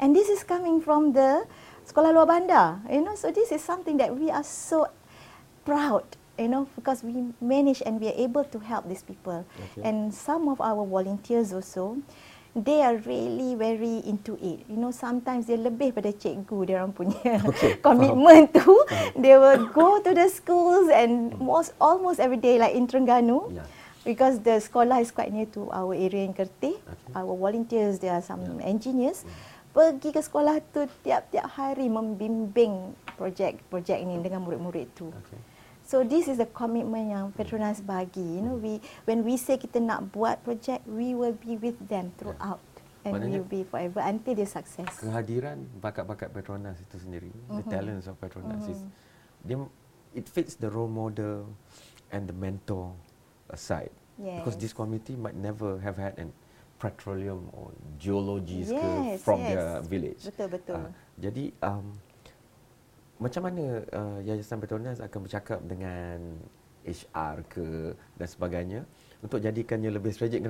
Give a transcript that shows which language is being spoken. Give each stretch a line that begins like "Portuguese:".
English: and this is coming from the
Malay: sekolah luar bandar,
English: you know, so this is something that we are so proud, you know, because we manage and we are able to help these people. Okay. And some of our volunteers also, they are really very into it. You know, sometimes
Malay: dia lebih pada cikgu dia orang punya
English: okay. commitment tu. They will go to the schools and almost every day, like in Terengganu. Yeah. Because the sekolah is quite near to our area in Kertih. Okay. Our volunteers, there are some yeah. engineers. Yeah.
Malay: Pergi ke sekolah tu tiap-tiap hari membimbing projek-projek ini dengan murid-murid tu.
English: Okay. So this is the commitment
Malay: yang Petronas bagi.
English: You know, when we say
Malay: kita nak buat project,
English: we will be with them throughout yeah. and we'll be forever until they success.
Malay: Kehadiran bakat-bakat Petronas itu sendiri, mm-hmm.
English: the talents of Petronas
Malay: mm-hmm.
English: it fits the role model and the mentor aside. Yes. Because this community might never have had an petroleum or geology yes, school from yes. their village.
Malay: Betul betul. Jadi macam mana Yayasan Petronas akan bercakap dengan HR ke dan sebagainya untuk jadikannya lebih strategik?